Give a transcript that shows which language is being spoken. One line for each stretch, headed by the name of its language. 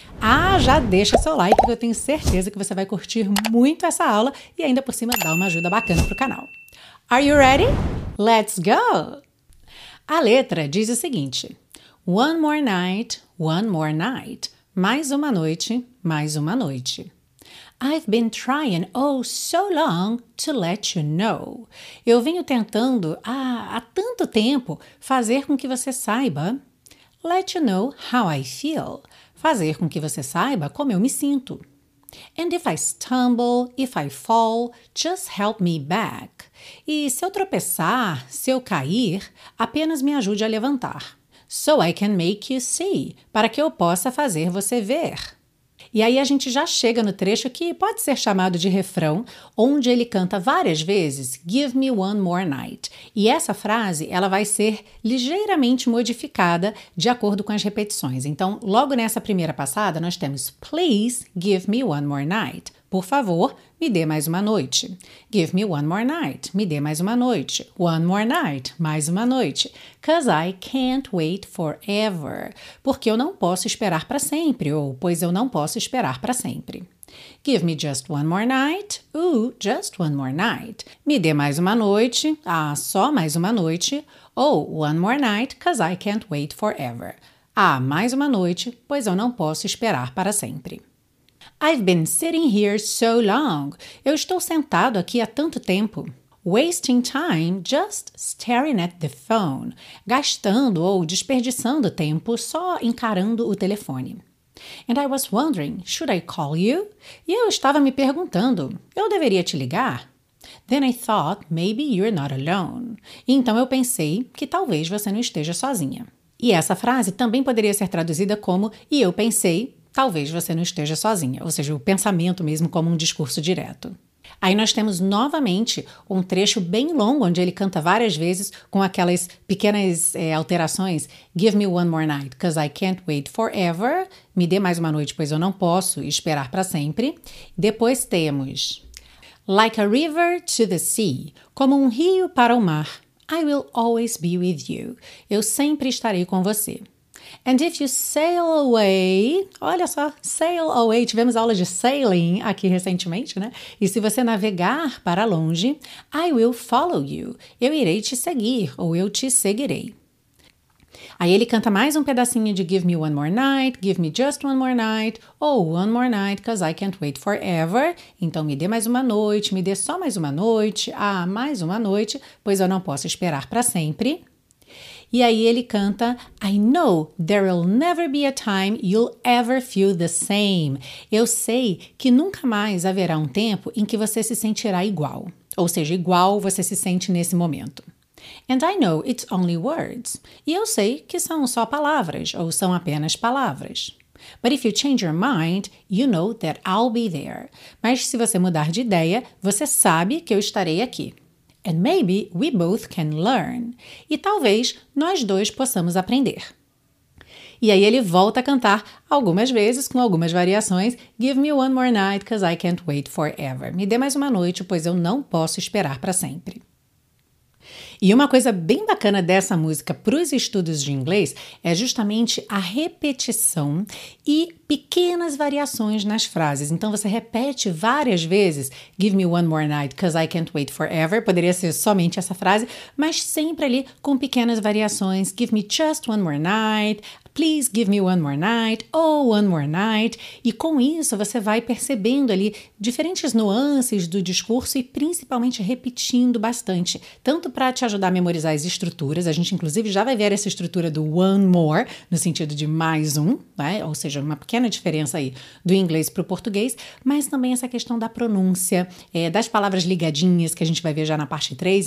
Portuguese: Ah, já deixa seu like, porque eu tenho certeza que você vai curtir muito essa aula e ainda por cima dá uma ajuda bacana para o canal.
English: Are you ready? Let's go!
Portuguese: A letra diz o seguinte:
English: One more night, one more night.
Portuguese: Mais uma noite, mais uma noite.
English: I've been trying oh so long to let you know.
Portuguese: Eu venho tentando há tanto tempo fazer com que você saiba.
English: Let you know how I feel.
Portuguese: Fazer com que você saiba como eu me sinto.
English: And if I stumble, if I fall, just help me back.
Portuguese: E se eu tropeçar, se eu cair, apenas me ajude a levantar.
English: So I can make you see,
Portuguese: para que eu possa fazer você ver. E aí a gente já chega no trecho que pode ser chamado de refrão, onde ele canta várias vezes,
English: give me one more night.
Portuguese: E essa frase, ela vai ser ligeiramente modificada de acordo com as repetições. Então, logo nessa primeira passada, nós temos,
English: please give me one more night.
Portuguese: Por favor, me dê mais uma noite.
English: Give me one more night.
Portuguese: Me dê mais uma noite.
English: One more night.
Portuguese: Mais uma noite.
English: 'Cause I can't wait forever.
Portuguese: Porque eu não posso esperar para sempre. Ou, pois eu não posso esperar para sempre.
English: Give me just one more night. Ooh, just one more night.
Portuguese: Me dê mais uma noite. Ah, só mais uma noite. Ou,
English: one more night, 'cause I can't wait forever.
Portuguese: Ah, mais uma noite, pois eu não posso esperar para sempre.
English: I've been sitting here so long.
Portuguese: Eu estou sentado aqui há tanto tempo.
English: Wasting time just staring at the phone.
Portuguese: Gastando ou desperdiçando tempo só encarando o telefone.
English: And I was wondering, should I call you?
Portuguese: E eu estava me perguntando, eu deveria te ligar?
English: Then I thought, maybe you're not alone.
Portuguese: Então eu pensei que talvez você não esteja sozinha. E essa frase também poderia ser traduzida como, e eu pensei, talvez você não esteja sozinha, ou seja, o pensamento mesmo como um discurso direto. Aí nós temos novamente um trecho bem longo, onde ele canta várias vezes com aquelas pequenas alterações.
English: Give me one more night, 'cause I can't wait forever.
Portuguese: Me dê mais uma noite, pois eu não posso esperar para sempre. Depois temos,
English: like a river to the sea,
Portuguese: como um rio para o mar.
English: I will always be with you.
Portuguese: Eu sempre estarei com você.
English: And if you sail away,
Portuguese: olha só, sail away, tivemos aula de sailing aqui recentemente, né? E se você navegar para longe,
English: I will follow you,
Portuguese: eu irei te seguir, ou eu te seguirei. Aí ele canta mais um pedacinho de
English: give me one more night, give me just one more night, ou one more night, 'cause I can't wait forever.
Portuguese: Então me dê mais uma noite, me dê só mais uma noite, ah, mais uma noite, pois eu não posso esperar para sempre. E aí ele canta,
English: I know there will never be a time you'll ever feel the same.
Portuguese: Eu sei que nunca mais haverá um tempo em que você se sentirá igual. Ou seja, igual você se sente nesse momento.
English: And I know it's only words.
Portuguese: E eu sei que são só palavras, ou são apenas palavras.
English: But if you change your mind, you know that I'll be there.
Portuguese: Mas se você mudar de ideia, você sabe que eu estarei aqui.
English: And maybe we both can learn.
Portuguese: E talvez nós dois possamos aprender. E aí ele volta a cantar, algumas vezes, com algumas variações,
English: Give me one more night, cause I can't wait forever.
Portuguese: Me dê mais uma noite, pois eu não posso esperar para sempre. E uma coisa bem bacana dessa música para os estudos de inglês é justamente a repetição e pequenas variações nas frases. Então você repete várias vezes,
English: Give me one more night, cause I can't wait forever.
Portuguese: Poderia ser somente essa frase, mas sempre ali com pequenas variações.
English: Give me just one more night. Please give me one more night, oh, one more night.
Portuguese: E com isso você vai percebendo ali diferentes nuances do discurso e principalmente repetindo bastante, tanto para te ajudar a memorizar as estruturas. A gente inclusive já vai ver essa estrutura do one more, no sentido de mais um, né? Ou seja, uma pequena diferença aí do inglês para o português, mas também essa questão da pronúncia, das palavras ligadinhas, que a gente vai ver já na parte 3.